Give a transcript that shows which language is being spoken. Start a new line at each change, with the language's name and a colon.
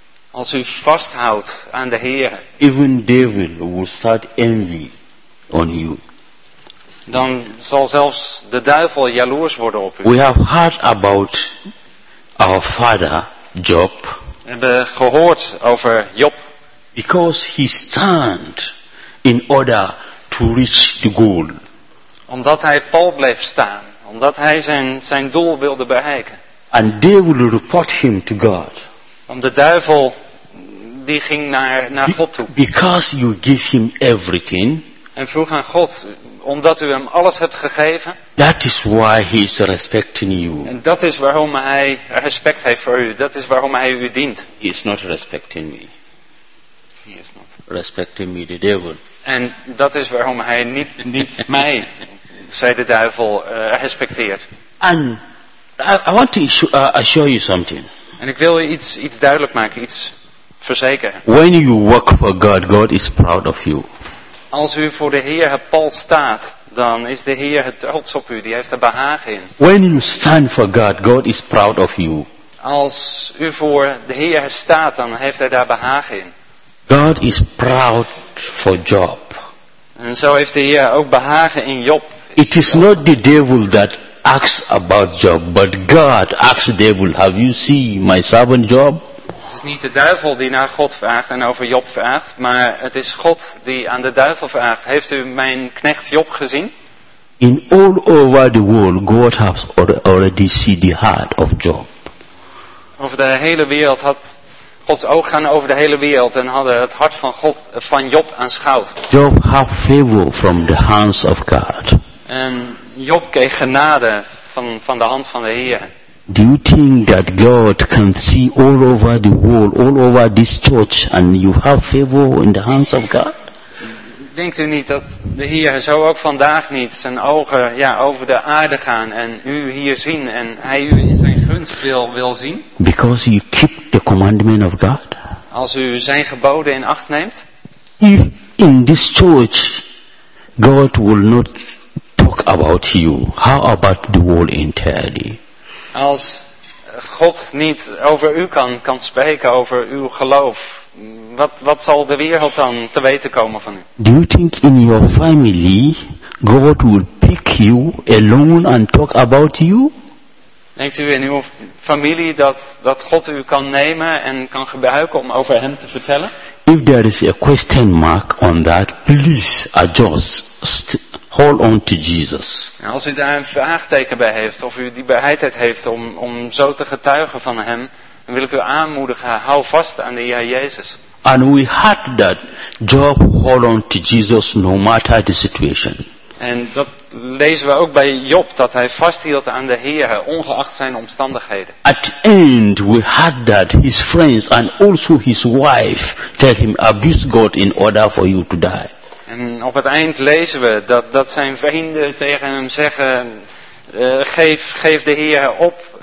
Dutch: als u vasthoudt aan de Heer,
English: even devil will start envy on you.
Dutch: Dan zal zelfs de duivel jaloers worden op u.
English: We have heard about our father Job.
Dutch: We hebben gehoord over Job.
English: Because he stand in order to reach the goal.
Dutch: Omdat hij pal bleef staan. Omdat hij zijn doel wilde bereiken.
English: And they will report him to God.
Dutch: Want de duivel die ging naar God toe.
English: Because you give him everything.
Dutch: En vroeg aan God, omdat u hem alles hebt gegeven.
English: That is why he is respecting you.
Dutch: En dat is waarom hij respect heeft voor u. Dat is waarom hij u dient.
English: He is not respecting me. He is not respecting me, the devil.
Dutch: En dat is waarom hij niet mij, zei de duivel, respecteert.
English: And I want to assure you something.
Dutch: En ik wil je iets duidelijk maken, iets verzekeren.
English: When you work for God, God is proud of you.
Dutch: Als u voor de Heer het pal staat, dan is de Heer het trots op u, die heeft er behagen in.
English: When you stand for God, God is proud of you.
Dutch: Als u voor de Heer staat, dan heeft hij daar behagen in.
English: God is proud for Job.
Dutch: En zo heeft de Heer ook behagen in Job.
English: It is not the devil that asks about Job, but God asks the devil, have you seen my servant Job?
Dutch: Het is niet de duivel die naar God vraagt en over Job vraagt, maar het is God die aan de duivel vraagt. Heeft u mijn knecht Job gezien?
English: In all over the world, God has already seen the heart of Job.
Dutch: Over de hele wereld had Gods oog gaan over de hele wereld en hadden het hart van God van Job aanschouwd.
English: Job had favor from the hands of God.
Dutch: En Job kreeg genade van de hand van de Heer.
English: Do you think that God can see all over the world, all over this church, and you have favor in the hands of God?
Dutch: Denkt u niet dat de Heer zo ook vandaag niet zijn ogen over de aarde gaan en u hier zien en hij u in zijn gunst wil zien?
English: Because you keep the commandment of God.
Dutch: Als u zijn geboden in acht neemt.
English: If in this church God will not talk about you, how about the world entirely?
Dutch: Als God niet over u kan spreken, over uw geloof, wat zal de wereld dan te weten komen van u?
English: Do you think in your family God will pick you alone and talk about you?
Dutch: Denkt u in uw familie dat God u kan nemen en kan gebruiken om over hem te vertellen?
English: If there is a question mark on that, please adjust. Hold on to Jesus.
Dutch: Als u daar een vraagteken bij heeft, of u die bereidheid heeft om zo te getuigen van hem, dan wil ik u aanmoedigen, hou vast aan de Heer Jezus.
English: And we had that Job hold on to Jesus no matter the situation.
Dutch: En dat lezen we ook bij Job, dat hij vasthield aan de Heer, ongeacht zijn omstandigheden.
English: At the end we had that his friends and also his wife tell him, abuse God in order for you to die.
Dutch: En op het eind lezen we dat zijn vrienden tegen hem zeggen, geef de Heer op.